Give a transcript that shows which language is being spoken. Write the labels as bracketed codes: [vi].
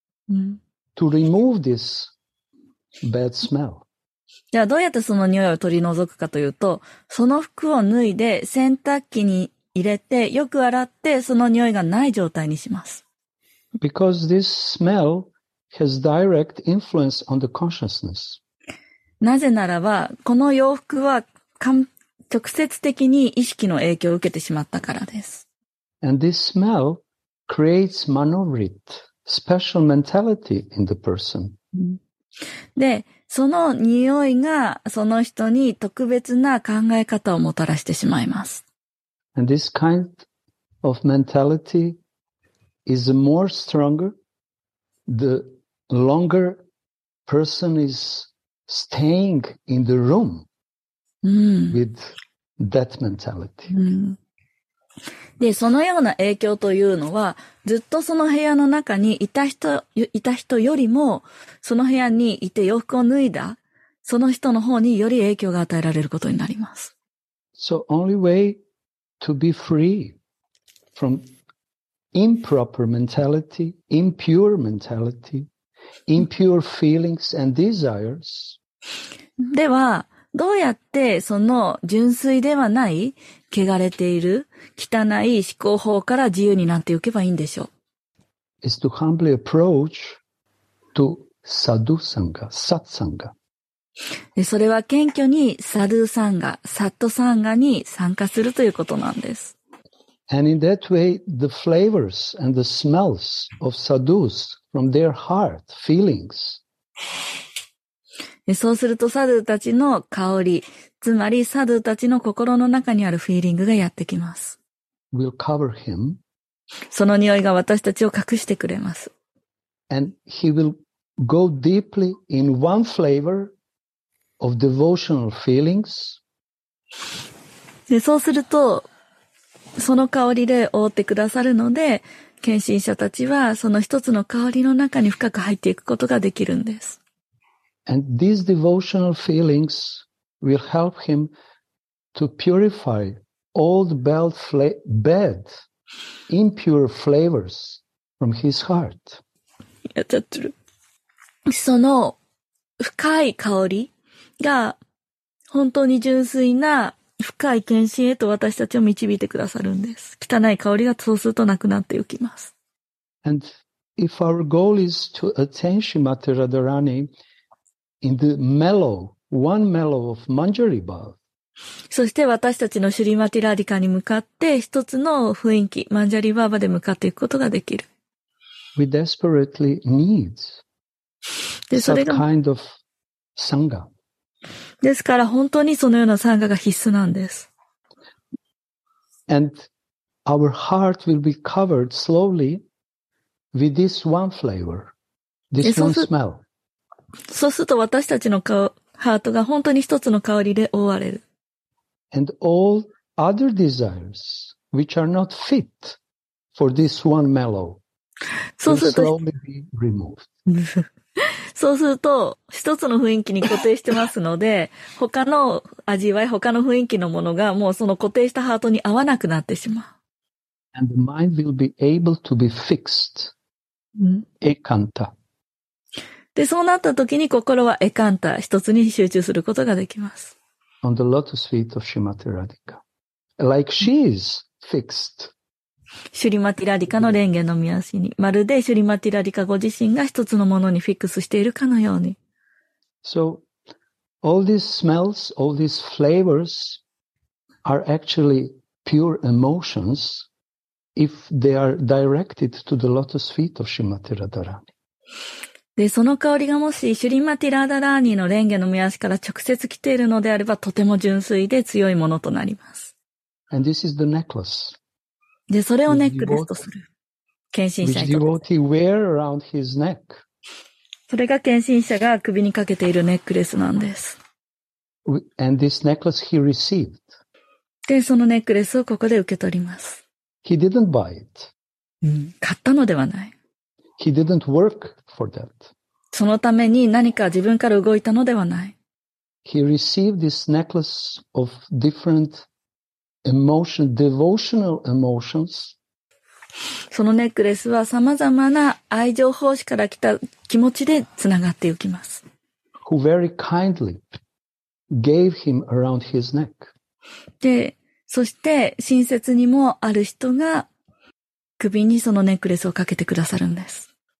[ja] うん、 [en] to remove this bad smell. [ja] じゃあ、どうやってその匂いを取り除くかというと、その服を脱いで洗濯機に入れてよく洗ってその匂いがない状態にします。 [en] Because this smell has direct influence on the consciousness. [ja] なぜならばこの洋服は直接的に意識の影響を受けてしまったからです。 [en] And this smell creates manovrit, special mentality in the person. [ja] で、その匂いがその人に特別な考え方をもたらしてしまいます。 [en] And this kind of mentality is more stronger the longer person is staying in the room、 [ja] うん、 [en] with that mentality.、 [ja] うん、で、そのような影響というのは、ずっとその部屋の中にいた人よりも、その部屋にいて洋服を脱いだ、その人の方により影響が与えられることになります。 [en] So only way... to be free from improper mentality, impure mentality, impure feelings and desires. [ja] では、どうやってその純粋ではない、汚れている、汚い思考法から自由になっておけばいいんでしょう。 [en] is to humbly approach to sadhu sangha, satsangha. [ja] でそれは謙虚にサドゥサンガ、サットサンガに参加するということなんです。 [en] And in that way, the flavors and the smells of sadhus from their heart, feelings. [ja] そうするとサドゥたちの香り、つまりサドゥたちの心の中にあるフィーリングがやってきます。 [en] We'll cover him. [ja] その匂いが私たちを隠してくれます。 [en] And he will go deeply in one flavor of devotional feelings. [ja] でそうすると、その香りで覆ってくださるので、献身者たちはその一つの香りの中に深く入っていくことができるんです。 [en] And these devotional feelings will help him to purify all the bad, impure flavors from his heart. [ja] やっちゃってる。その深い香りが本当に純粋な深い献身へと私たちを導いてくださるんです。汚い香りがそうするとなくなっていきます。 [en] And if our goal is to attain Srimati Radharani in the mellow, one mellow of Manjari Bhav. [ja] そして私たちのシュリマティラディカに向かって一つの雰囲気、マンジャリバーバで向かっていくことができる。 [en] We desperately need some kind of sangha. [ja] ですから本当にそのようなサンガが必須なんです。 [en] And our heart will be covered slowly with this one flavor, this one smell. [ja] そうすると私たちのハートが本当に一つの香りで覆われる。 [en] And all other desires which are not fit for this one mellow will slowly be removed. [ja] そうすると一つの雰囲気に固定してますので他の味わい他の雰囲気のものがもうその固定したハートに合わなくなってしまう。 [en] And the mind will be able to be fixed. [ja] エカンタ。で、そうなった時に心はエカンタ、一つに集中することができます。 [en] On the lotus feet of Srimati Radhika. Like she is fixed. [ja] シュリマティラディカの蓮華の御足に、まるでシュリマティラディカご自身が一つのものにフィックスしているかのように。 [en] So, all these smells, all these flavors are actually pure emotions if they are directed to the lotus feet of Srimati Radharani. [ja] で、その香りがもしシュリマティラダラーニの蓮華の御足から直接来ているのであれば、とても純粋で強いものとなります。 [en] And this is the necklace. [ja] で、それをネックレスとする。献身者 [en] に。Which devotee wear around his neck. [ja] それが献身者が首にかけているネックレスなんです。 [en] And this necklace he received. [ja] で、そのネックレスをここで受け取ります。 [en] He didn't buy it. [ja] 買ったのではない。 [en] He didn't work for that. [ja] そのために何か自分から動いたのではない。 [en] He received this necklace of different emotion, devotional emotions. [ja] そのネックレスは様々な愛情奉仕から来た気持ちでつながっていきます。 [en] Who very kindly gave him around his neck. [ja] で、そして親切にもある人が首にそのネックレスをかけてくださるんです。